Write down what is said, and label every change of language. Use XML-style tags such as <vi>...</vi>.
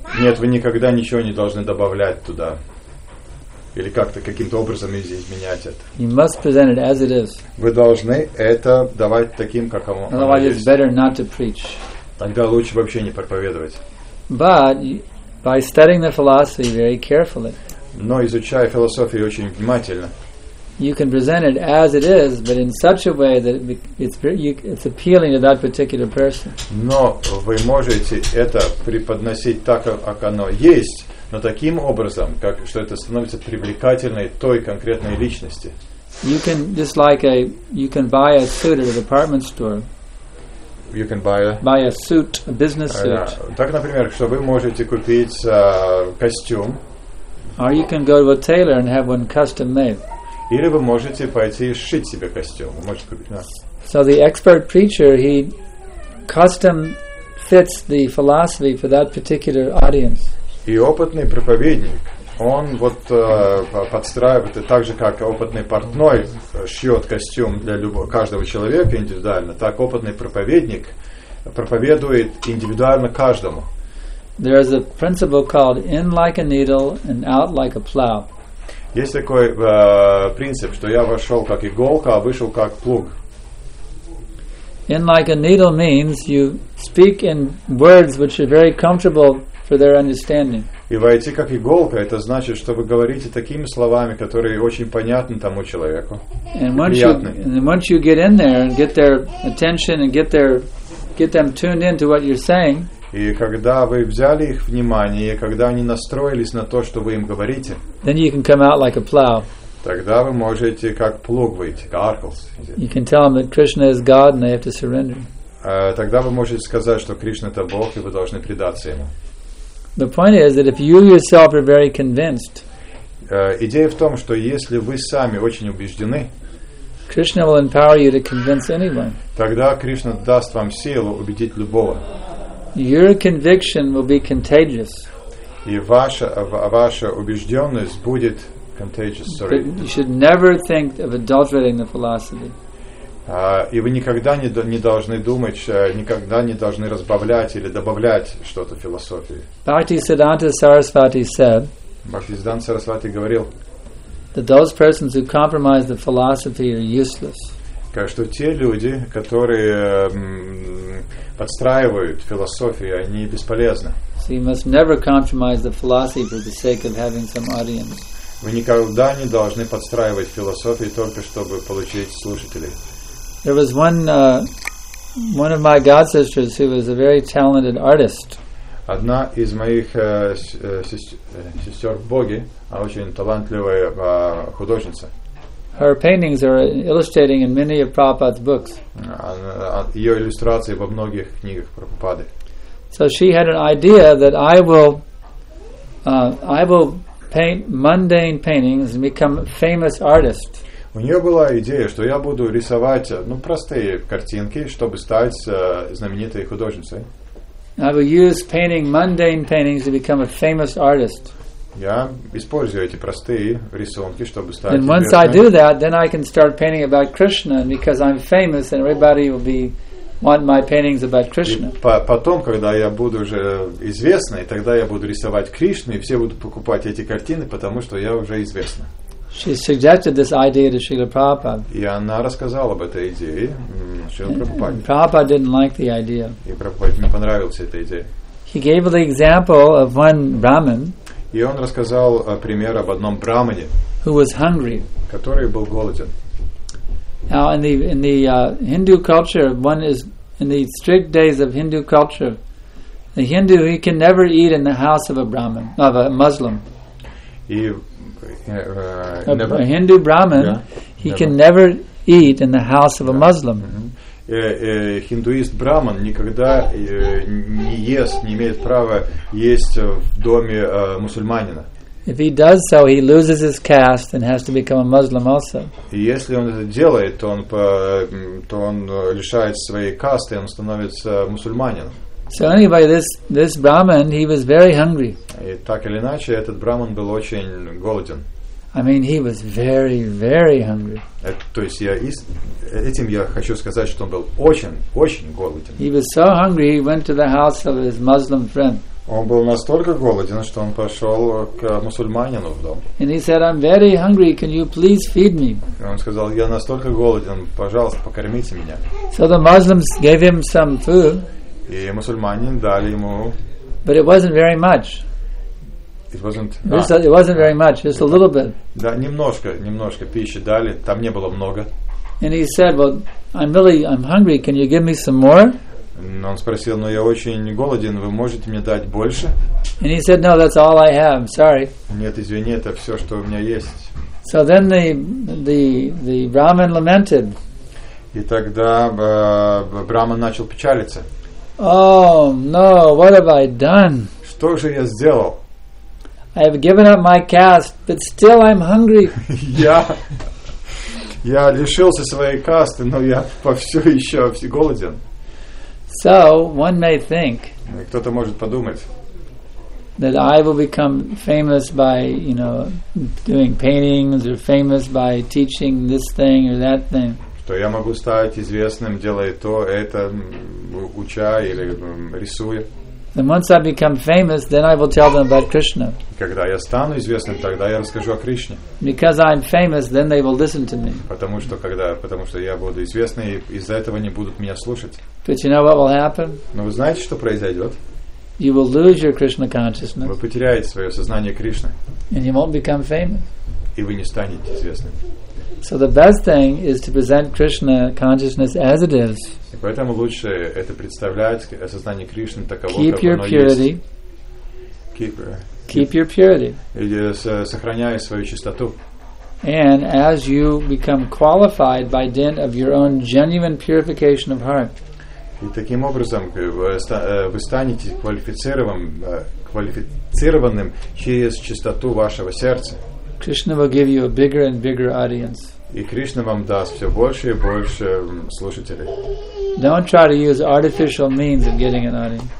<ru>Нет, вы никогда ничего не должны добавлять туда или как-то каким-то образом изменять это.</ru> <en>You must present it as it is.</en> <ru>Вы должны это давать таким, как оно есть.</ru> <en>Otherwise, it's better not to preach.</en> <ru>Тогда лучше вообще не проповедовать.</ru> <en>But by studying the philosophy very carefully.</en> <ru>Но изучая философию очень внимательно.</ru> <en>You can present it as it is, but in such a way that it's appealing to that particular person.</en> <ru>Но вы можете это преподносить так, как оно есть, но таким образом, как что это становится привлекательной той конкретной личности.</ru> <en>You can just like a you can buy a suit at a department store. You can buy a suit, a business suit.</en> <ru>Так, например, что вы можете купить костюм.</ru> <en>Or you can go to a tailor and have one custom made.</en> <ru>Или вы можете пойти и сшить себе костюм. Вы можете купить, да.</ru> <en>So the expert preacher, he custom fits the philosophy for that particular audience.</en> <ru>И опытный проповедник, он вот подстраивает, и так же, как опытный портной шьет костюм для каждого человека индивидуально, так опытный проповедник проповедует индивидуально каждому.</ru> <en>There is a principle called in like a needle and out like a plow.</en> <ru>Есть такой принцип, что я вошел как иголка, а вышел как плуг.</ru> <en>In like a needle means you speak in words which are very comfortable for their understanding.</en> <ru>И войти как иголка, это значит, что вы говорите такими словами, которые очень понятны тому человеку.</ru> <en>And once you get in there and get their attention and get them tuned into what you're saying.</en> <ru>И когда вы взяли их внимание, и когда они настроились на то, что вы им говорите,</ru> <en>then you can come out like a plow.</en> <ru>Тогда вы можете как плуг выйти, как аркалс.</ru> <en>You can tell them that Krishna is God and they have to surrender.</en> <ru>Тогда вы можете сказать, что Кришна это Бог, и вы должны предаться ему.</ru> <en>The point is that if you yourself are very convinced,</en> <ru>идея в том, что если вы сами очень убеждены,</ru> <en>Krishna will empower you to convince anyone.</en> <ru>Тогда Кришна даст вам силу убедить любого.</ru> <en>Your conviction will be contagious.</en> <ru>И ваша убежденность будет</ru> <en>contagious, sorry. You should never think of adulterating the philosophy.</en> <ru>И вы никогда не должны думать, никогда не должны разбавлять или добавлять что-то философии.</ru> <en>Bhaktisiddhanta Sarasvati said.</en> <ru>Bhaktisiddhanta Sarasvati говорил.</ru> <en>That those persons who compromise the philosophy are useless.</en> <ru>Как что те люди, которые подстраивают философию, они бесполезны.</ru> <en>So you must never compromise the philosophy for the sake of having some audience.</en> <ru>Вы никогда не должны подстраивать философию только чтобы получить слушателей.</ru> <en>There was one of my god sisters who was a very talented artist.</en> <ru>Одна из моих сестер Боги, а очень талантливая художница.</ru> <en>Her paintings are illustrating in many of Prabhupada's books.</en> <ru>Ее иллюстрации во многих книгах Прабхупады.</ru> <en>So she had an idea that I will paint mundane paintings and become a famous artist.</en> <ru>У нее была идея, что я буду рисовать простые картинки, чтобы стать знаменитой художницей.</ru> <en>I will use painting mundane paintings to become a famous artist.</en> <ru>Я использую эти простые рисунки, чтобы стать.</ru> <en>And once I do that, then I can start painting about Krishna because I'm famous and everybody will be want my paintings about Krishna.</en> <ru>Потом, когда я буду уже известной, тогда я буду рисовать Кришну и все будут покупать эти картины, потому что я уже известна.</ru> <en>She suggested this idea to Srila Prabhupada.</en> <ru>И она рассказала об этой идее Шрила Прабхупаде.</ru> <en>Prabhupada didn't like the idea.</en> <ru>И Прабхупаде не понравилась эта идея.</ru> <en>He gave the example of one Brahmin.</en> <ru>И он рассказал пример об одном брахмане,</ru> <en>who was hungry.</en> <ru>Который был голоден.</ru> <en>Now Hindu culture, one is in the strict days of Hindu culture, the Hindu he can never eat in the house of a Brahmin, of a Muslim.</en> <ru>И</ru> <en>a Hindu Brahmin, yeah. can never eat in the house of a Muslim. Hinduist Brahman</en> <ru>никогда не ест, не имеет права есть в доме мусульманина.</ru> <en>If he does so, he loses his caste and has to become a Muslim also.</en> <ru>Если он это делает, то он лишает своей касты, он становится мусульманином.</ru> <en>So anyway, this Brahman, he was very hungry.</en> <ru>И так или иначе, этот Брахман был очень голоден.</ru> <en>I mean, he was very, very hungry.</en> <ru>То есть я этим я хочу сказать, что он был очень, очень голоден.</ru> <en>He was so hungry, he went to the house of his Muslim friend.</en> <ru>Он был настолько голоден, что он пошел к мусульманину в дом.</ru> <en>And he said, "I'm very hungry. Can you please feed me?"</en> <ru>Он сказал, я настолько голоден, пожалуйста, покормите меня.</ru> <en>So the Muslims gave him some food.</en> <ru>И мусульманин дали ему.</ru> <en>But it wasn't very much. It wasn't very much, just a little bit.</en> <ru>Да, немножко пищи дали, там не было много.</ru> <en>And he said, "Well, I'm hungry. Can you give me some more?"</en> <ru>Но он спросил, но я очень голоден, вы можете мне дать больше?</ru> <en>And he said, "No, that's all I have. I'm sorry."</en> <ru>Нет, извини, это все, что у меня есть.</ru> <en>So then the Brahman lamented.</en> <ru>И тогда Брахман начал печалиться.</ru> <en>Oh no, what have I done?</en> <ru>Что же я сделал?</ru> <en>I have given up my caste, but still I'm hungry.</en> <ru>Я лишился своей касты, но я все еще голоден.</ru> <en>So one may think.</en> <ru>Кто-то может подумать.</ru> <en>That I will become famous by, you know, doing paintings, or famous by teaching this thing or that thing.</en> <ru>Что я могу стать известным, делая то, это, уча или рисуя.</ru> <en>And once I become famous, then I will tell them about Krishna.</en> <ru>Когда я стану известным, тогда я расскажу о Кришне.</ru> <en>Because I'm famous, then they will listen to me.</en> <ru>Потому что я буду известный, из-за этого не будут меня слушать.</ru> <en>But you know what will happen?</en> <ru>Но вы знаете, что произойдет?</ru> <en>You will lose your Krishna consciousness.</en> <ru>Вы потеряете свое сознание Кришны.</ru> <en>And you won't become famous.</en> <ru>И вы не станете известным.</ru> <en>So the best thing is to present Krishna consciousness as it is.</en> <ru>И поэтому лучше это представлять осознание Кришны таково, как оно</ru> <en>purity.</en> <ru>Есть.</ru> <en>Keep your purity.</en> <ru>Сохраняй свою чистоту.</ru> <en>And as you become qualified by dint of your own genuine purification of heart.</en> <ru>И таким образом вы станете квалифицированным через чистоту вашего сердца.</ru> <en>Krishna will give you a bigger and bigger audience.</en> <ru>И Кришна вам даст все больше и больше слушателей.</ru> <en>Don't try to use artificial means of getting an audience.</en>